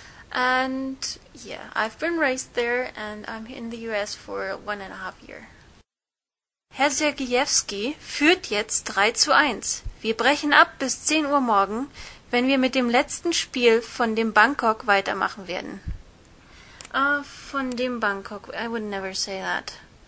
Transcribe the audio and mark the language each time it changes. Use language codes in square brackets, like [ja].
[en] And yeah, I've been raised there and I'm in the US for 1.5 years. [de] Herr Sergejewski führt jetzt 3-1. Wir brechen ab bis 10 Uhr morgen, wenn wir mit dem letzten Spiel von dem Bangkok weitermachen werden. Von dem Bangkok, [en] I would never say that.